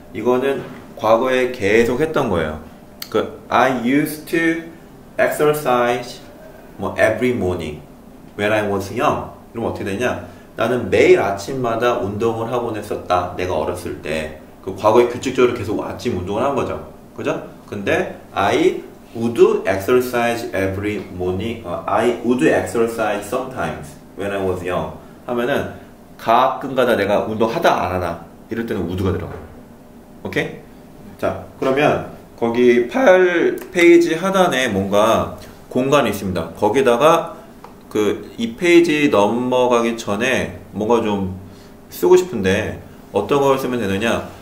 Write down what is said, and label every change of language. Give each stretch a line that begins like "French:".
Korean: 이거는 과거에 계속 했던 거예요.
English: 그 I used to exercise 뭐 every morning when I was young.
Korean: 그럼 어떻게 되냐? 나는 매일 아침마다 운동을 하곤 했었다. 내가 어렸을 때. 그 과거에 규칙적으로 계속 아침 운동을 한 거죠. 그죠? 근데
English: I would exercise every morning, I would exercise sometimes when I was young.
Korean: 하면은, 가끔가다 내가 운동하다 안 하나. 이럴 때는 would가 들어가. 오케이? 자, 그러면, 거기 8페이지 하단에 뭔가 공간이 있습니다. 거기다가, 그, 이 페이지 넘어가기 전에 뭔가 좀 쓰고 싶은데, 어떤 걸 쓰면 되느냐?